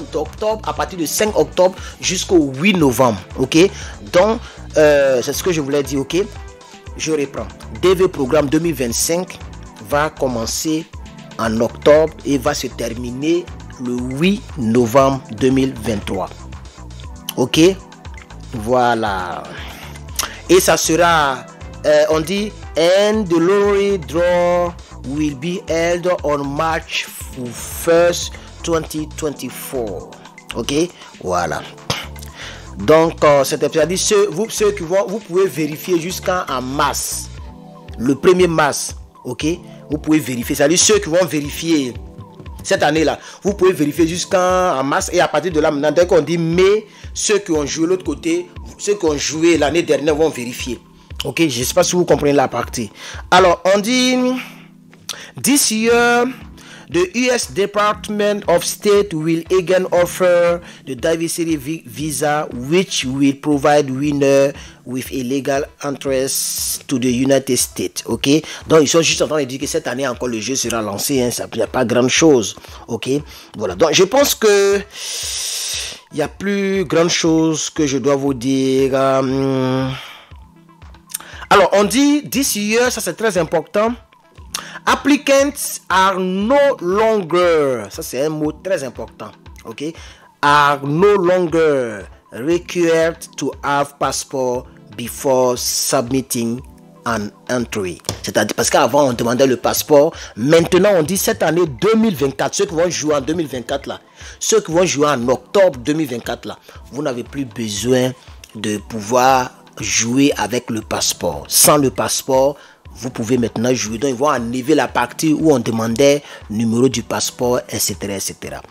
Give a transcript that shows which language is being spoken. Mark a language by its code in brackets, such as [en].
[fr] Donc, d'octobre, à partir du 5 octobre jusqu'au 8 novembre. OK? Donc, c'est ce que je voulais dire. OK? Je reprends. DV Programme 2025 va commencer en octobre et va se terminer le 8 novembre 2023. OK? Voilà. Et ça sera, on dit, [en] and the lottery draw will be held on March 1st, 2024. [fr] Ok? Voilà. Donc, c'est-à-dire, ceux qui vont, vous pouvez vérifier jusqu'en mars. Le 1er mars. Ok? Vous pouvez vérifier. C'est-à-dire, ceux qui vont vérifier, cette année-là. Vous pouvez vérifier jusqu'en mars et à partir de là, maintenant, dès qu'on dit mai, ceux qui ont joué l'autre côté, ceux qui ont joué l'année dernière vont vérifier. Ok, je ne sais pas si vous comprenez la partie. Alors, on dit, [en] this year, the US Department of State will again offer the diversity visa, which will provide winner with a legal entrance to the United States. [fr] Ok, donc ils sont juste en train de dire que cette année encore le jeu sera lancé, hein, ça n'y a pas grande chose. Ok, voilà, donc je pense que... il n'y a plus grande chose que je dois vous dire. Alors, on dit, [en] this year, [fr] ça c'est très important. [en] Applicants are no longer, [fr] ça c'est un mot très important, ok? [en] Are no longer required to have passport before submitting an entry. [fr] C'est-à-dire, parce qu'avant on demandait le passeport, maintenant on dit cette année 2024, ceux qui vont jouer en 2024 là, ceux qui vont jouer en octobre 2024 là, vous n'avez plus besoin de pouvoir jouer avec le passeport. Sans le passeport, vous pouvez maintenant jouer. Donc, ils vont enlever la partie où on demandait numéro du passeport, etc., etc.